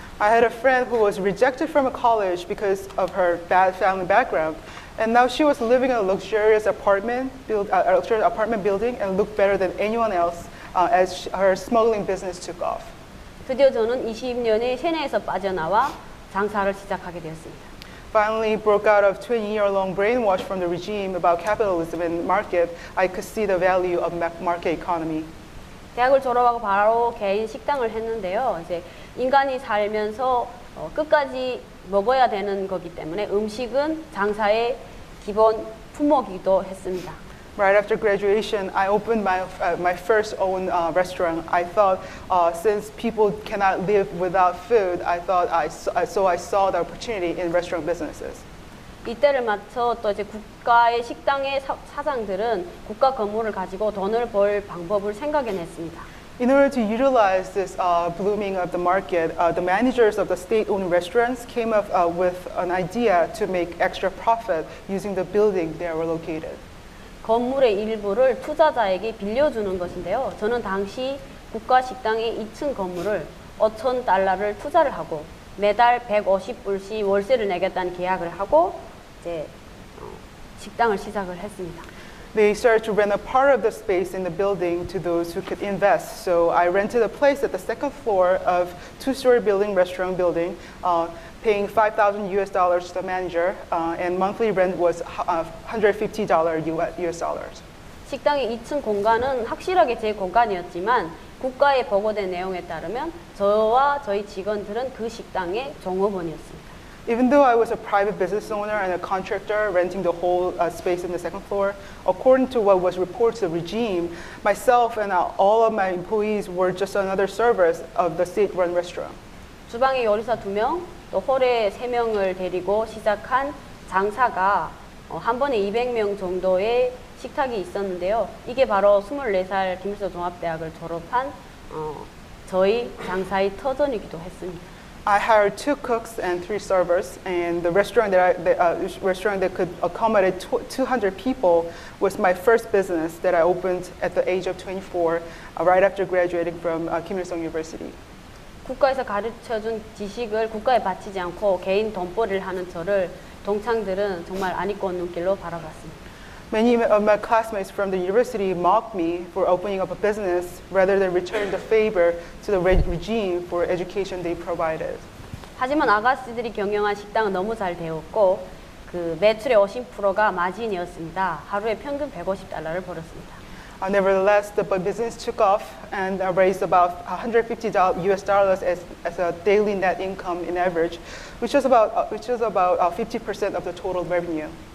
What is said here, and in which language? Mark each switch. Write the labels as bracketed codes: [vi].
[en] I had a friend who was rejected from a college because of her bad family background, and now she was living in a luxurious apartment building and looked better than anyone else as her smuggling business took off. [ko] 드디어 저는 20년의 세뇌에서 빠져나와 장사를 시작하게 되었습니다. [en] Finally, broke out of 20-year-long brainwash from the regime about capitalism and market, I could see the value of market economy. [ko] 대학을 졸업하고 바로 개인 식당을 했는데요. 이제 인간이 살면서 끝까지 먹어야 되는 거기 때문에 음식은 장사의 기본 품목이기도 했습니다. [en] Right after graduation, I opened my first own restaurant. I thought since people cannot live without food, I saw the opportunity in restaurant businesses. [ko] 이때를 맞춰 또 이제 국가의 식당의 사장들은 국가 건물을 가지고 돈을 벌 방법을 생각해냈습니다. [en] In order to utilize this blooming of the market, the managers of the state-owned restaurants came up with an idea to make extra profit using the building they were located. [ko] 건물의 일부를 투자자에게 빌려주는 것인데요. 저는 당시 국가 식당의 2층 건물을 5천 달러를 투자를 하고 매달 150불씩 월세를 내겠다는 계약을 하고 이제 식당을 시작을 했습니다. [en] They started to rent a part of the space in the building to those who could invest. So I rented a place at the second floor of two-story building, restaurant building, paying $5,000 to the manager, and monthly rent was $150. [ko] 식당의 2층 공간은 확실하게 제 공간이었지만 국가에 보고된 내용에 따르면 저와 저희 직원들은 그 식당의 종업원이었습니다. [en] Even though I was a private business owner and a contractor renting the whole space in the second floor, according to what was reported to the regime, myself and all of my employees were just another servers of the state-run restaurant. [ko] 주방에 요리사 두 명, 또 홀에 세 명을 데리고 시작한 장사가 한 번에 200명 정도의 식탁이 있었는데요. 이게 바로 24살 김일성 종합대학을 졸업한 저희 장사의 터전이기도 했습니다. [en] I hired two cooks and three servers, and the restaurant that could accommodate 200 people was my first business that I opened at the age of 24, right after graduating from Kim Il-sung University. [ko] 국가에서 가르쳐준 지식을 국가에 바치지 않고 개인 돈벌이를 하는 저를 동창들은 정말 안 잊고 온 눈길로 바라봤습니다. [en] Many of my classmates from the university mocked me for opening up a business rather than return the favor to the regime for education they provided. [ko] 하지만 아가씨들이 경영한 식당은 너무 잘 되었고 그 매출의 50%가 마진이었습니다. 하루에 평균 $150를 벌었습니다. [en] Nevertheless, the business took off and raised about $150 as a daily net income in average, which was about 50% of the total revenue.